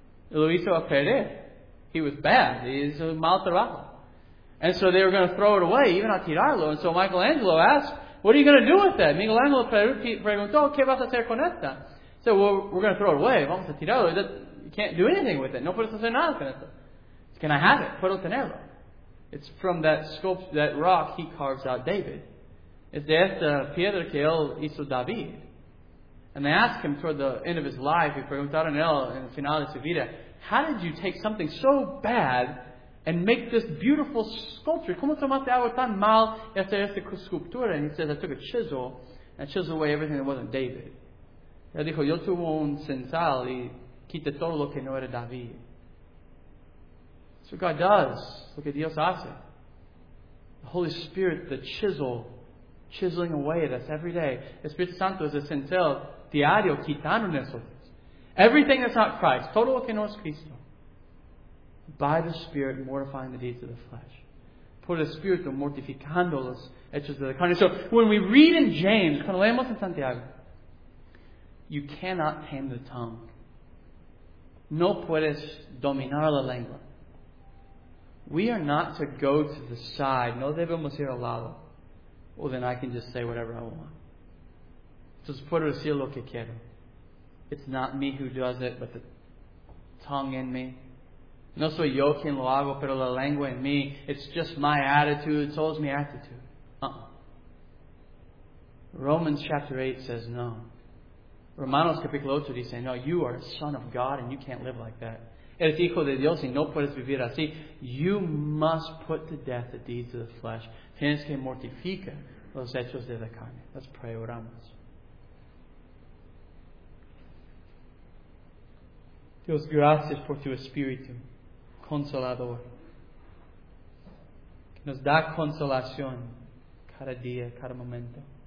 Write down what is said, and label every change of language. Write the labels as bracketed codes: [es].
[es] Lo hizo a perder. [en] He was bad. He was a [es] mal trabajo. [en] And so they were going to throw it away, even [es] a tirarlo. [en] And so Michelangelo asked, what are you going to do with that? [es] Michelangelo preguntó, ¿qué vas a hacer con esta? [en] He said, well, we're going to throw it away. [es] Vamos a tirarlo. [en] You can't do anything with it. [es] No puedes hacer nada con esto. [en] Can I have it? [es] Puedo tenerlo. [en] It's from that rock he carves out David. [es] Es de esta piedra que él hizo David. [en] And they asked him toward the end of his life, [es] y preguntaron él en el final de su vida, [en] how did you take something so bad and make this beautiful sculpture? [es] ¿Cómo tomaste algo tan mal y hacer esta escultura? [en] And he says, I took a chisel and I chiseled away everything that wasn't David. [es] Y él dijo, yo tuve un cincel y quite todo lo que no era David. [en] That's what God does. [es] Lo que Dios hace. [en] The Holy Spirit, the chisel, chiseling away at us every day. [es] Espíritu Santo es el cincel diario quitando nosotros. [en] Everything that's not Christ, [es] todo lo que no es Cristo. [en] By the Spirit, mortifying the deeds of the flesh. [es] Por el Espíritu, mortificando los hechos de la carne. [en] So when we read in James, [es] cuando leemos en Santiago, [en] you cannot tame the tongue. [es] No puedes dominar la lengua. [en] We are not to go to the side. [es] No debemos ir al lado. [en] Well, then I can just say whatever I want. [es] Entonces puedo decir lo que quiero. [en] It's not me who does it, but the tongue in me. [es] No soy yo quien lo hago, pero la lengua en mí. [en] It's just my attitude. It's always my attitude. Romans chapter 8 says no. [es] Romanos capítulo 8 dice, no, [en] you are a son of God and you can't live like that. [es] Eres hijo de Dios y no puedes vivir así. [en] You must put to death the deeds of the flesh. [es] Tienes que mortificar los hechos de la carne. [en] Let's pray, [es] oramos. Dios, gracias por tu espíritu consolador. Que nos da consolación cada día, cada momento.